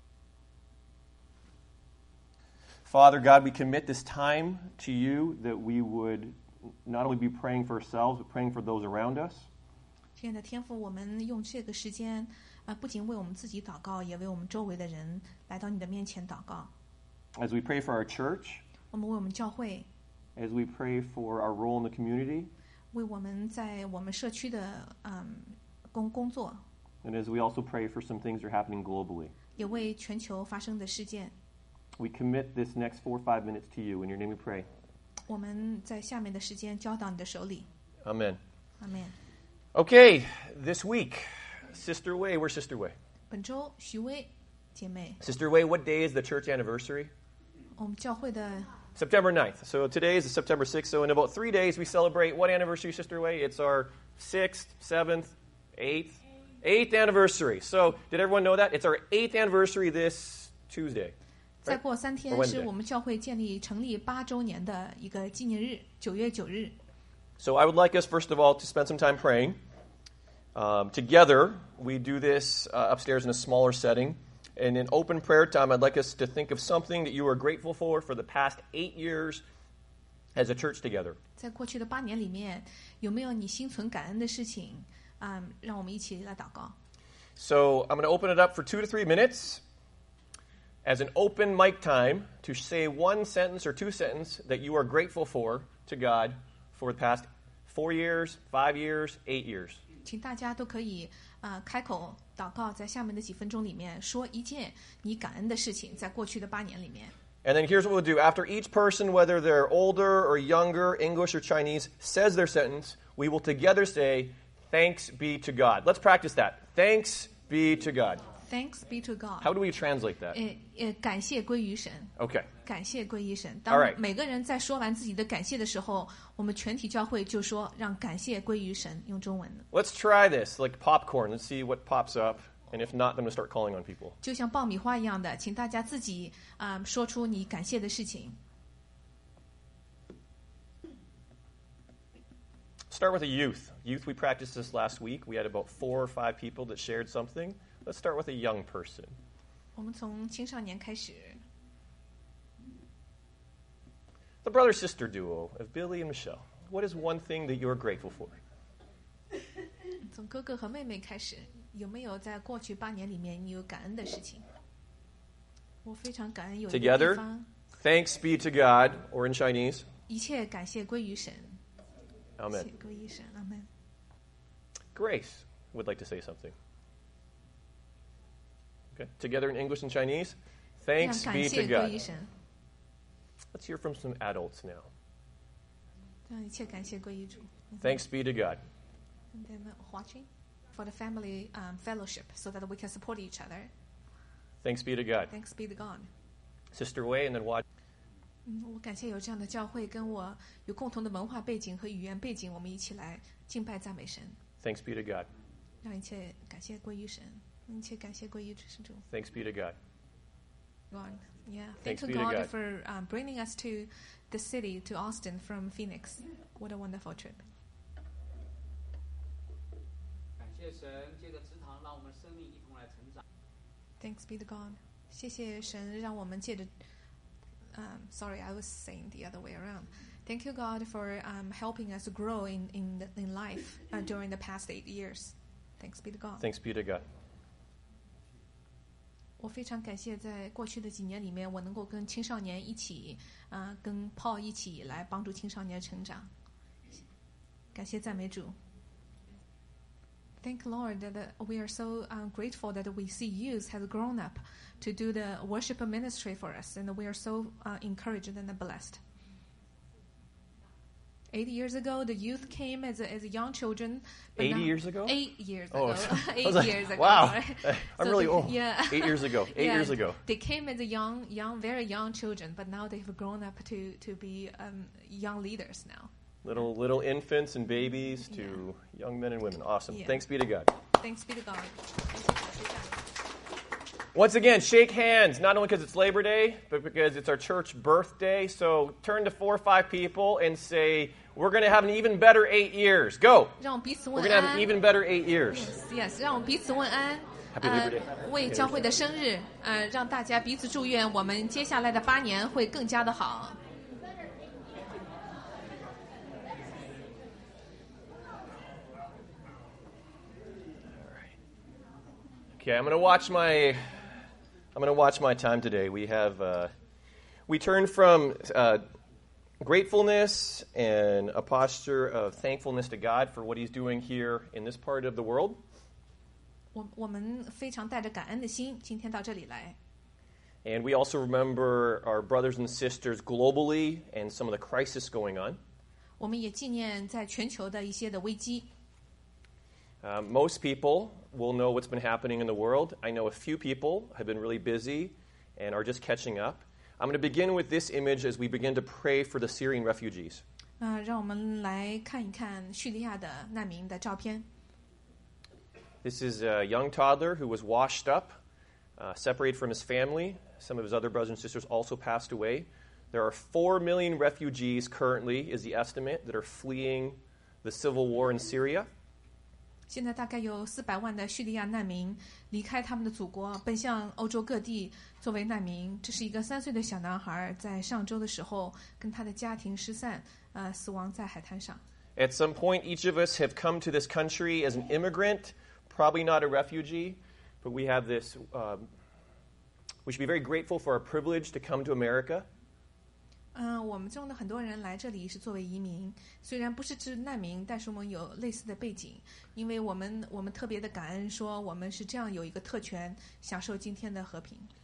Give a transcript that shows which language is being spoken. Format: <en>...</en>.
<zh>我们特别感恩神在劳动节的日子里面给我们多余的一天休息，让我们寻求内心的安静和平安，在他的面前。</zh> <en>Father God, we commit this time to you that we would not only be praying for ourselves, but praying for those around us.</en> <zh>亲爱的天父，我们用这个时间，不仅为我们自己祷告，也为我们周围的人来到你的面前祷告。</zh> <en>As we pray for our church,</en> <zh>我们为我们教会。</zh> <en>As we pray for our role in the community,</en> <zh>为我们在我们社区的,</zh> <en>and as we also pray for some things that are happening globally,</en> <zh>也为全球发生的事件,</zh> <en>we commit this next 4 or 5 minutes to you. In your name we pray.</en> <zh>我们在下面的时间交到你的手里。</zh> <en>Amen. Amen. Okay, this week, Sister Wei, where's Sister Wei?</en> <zh>本周徐薇,</zh> <en>Sister Wei, what day is the church anniversary?</en> <zh>我们教会的</zh> <en>September 9th. So today is September 6th. So in about 3 days, we celebrate what anniversary, Sister Wei? It's our 6th, 7th, 8th? 8th anniversary. So did everyone know that? It's our 8th anniversary this Tuesday. Right?</en> <zh>再过三天是我们教会建立成立八周年的一个纪念日, 9月9日。</zh> <en>So I would like us, first of all, to spend some time praying. Together, we do this upstairs in a smaller setting. And in open prayer time, I'd like us to think of something that you are grateful for the past 8 years as a church together.</en> <zh>在过去的八年里面，有没有你心存感恩的事情？让我们一起来祷告。</zh> <en>So I'm going to open it up for 2 to 3 minutes as an open mic time to say one sentence or two sentences that you are grateful for to God for the past 4 years, 5 years, 8 years.</en> <zh>请大家都可以 开口祷告，在下面的几分钟里面说一件你感恩的事情，在过去的八年里面。</zh> <en>And then here's what we'll do. After each person, whether they're older or younger, English or Chinese, says their sentence, we will together say, thanks be to God. Let's practice that. Thanks be to God. Thanks be to God. How do we translate that?</en> <zh>感谢归于神。</zh> <en>Okay.</en> <zh>感谢归于神。</zh> <en>All right.</en> <zh>当每个人在说完自己的感谢的时候, 我们全体教会就说, 让感谢归于神, 用中文。</zh> <en>Let's try this, like popcorn. Let's see what pops up. And if not, then we'll start calling on people.</en> <zh>就像爆米花一样的, 请大家自己, 说出你感谢的事情。</zh> <en>Start with the youth. Youth, we practiced this last week. We had about 4 or 5 people that shared something. Let's start with a young person.</en> <zh>我们从青少年开始。</zh> <en>The brother-sister duo of Billy and Michelle, what is one thing that you're grateful for?</en> <zh>从哥哥和妹妹开始, 有没有在过去八年里面你有感恩的事情? 我非常感恩有一个地方。</zh> <en>Together, thanks be to God, or in Chinese.</en> <zh>一切感谢归于神。</zh> <en>Amen.</en> <zh>谢归于神, Amen.</zh> <en>Grace would like to say something. Together in English and Chinese, thanks be to God. Let's hear from some adults now.</en> <zh>让一切感谢归于主。</zh> <en>Thanks be to God. And then watching for the family fellowship so that we can support each other. Thanks be to God. Thanks be to God. Sister Wei, and then watch.</en> <zh>我感谢有这样的教会跟我有共同的文化背景和语言背景，我们一起来敬拜赞美神。</zh> <en>Thanks be to God.</en> <zh>让一切感谢归于神，一切感谢归于神主。</zh> <en>Thanks be to God. God, yeah. Thank you, God, for bringing us to the city to Austin from Phoenix. What a wonderful trip.</en> <zh>感谢神，借着祠堂，让我们生命一同来成长。</zh> <en>Thanks be to God.</en> <zh>谢谢神，让我们借着。</zh> <en>Sorry, I was saying the other way around. Thank you, God, for helping us grow in life during the past 8 years. Thanks be to God. Thanks be to God.</en> <zh>我非常感谢在过去的几年里面，我能够跟青少年一起，跟 Paul 一起来帮助青少年成长。感谢赞美主。</zh> <en>Thank Lord that we are so grateful that we see youth has grown up to do the worship ministry for us, and we are so encouraged and blessed. 8 years ago, the youth came as young children. 8 years ago? 8 years ago. Years ago. Wow. Right? I'm so really old. Yeah. 8 years ago. Years ago. They came as young, very young children, but now they've grown up to be young leaders now. Little infants and babies to young men and women. Awesome. Yeah. Thanks be to God. Thanks be to God. Once again, shake hands, not only because it's Labor Day, but because it's our church birthday. So turn to four or five people and say, we're going to have an even better 8 years. Go. We're going to have an even better 8 years. Yes, yes.</en> <zh>让我们彼此问安。</zh> <en>Happy Labor Day.</en> <zh>为教会的生日，让大家彼此祝愿我们接下来的八年会更加的好。</zh> <en>Okay, I'm gonna watch my time today. We have we turn from gratefulness and a posture of thankfulness to God for what He's doing here in this part of the world.</en> <zh>我们非常带着感恩的心今天到这里来。</zh> <en>And we also remember our brothers and sisters globally and some of the crisis going on.</en> <zh>我们也纪念在全球的一些的危机。</zh> <en>Most people will know what's been happening in the world. I know a few people have been really busy and are just catching up. I'm going to begin with this image as we begin to pray for the Syrian refugees.</en> <zh>让我们来看一看叙利亚的难民的照片。</zh> <en>This is a young toddler who was washed up, separated from his family. Some of his other brothers and sisters also passed away. There are 4 million refugees currently, is the estimate, that are fleeing the civil war in Syria.</en> <zh>现在大概有400万的叙利亚难民离开他们的祖国，奔向欧洲各地作为难民。这是一个3岁的小男孩，在上周的时候跟他的家庭失散，死亡在海滩上。</zh> <en>At some point, each of us have come to this country as an immigrant, probably not a refugee, but we have this. We should be very grateful for our privilege to come to America.</en> <zh>我们中的很多人来这里是作为移民，虽然不是指难民，但是我们有类似的背景，因为我们特别的感恩，说我们是这样有一个特权，享受今天的和平。</zh>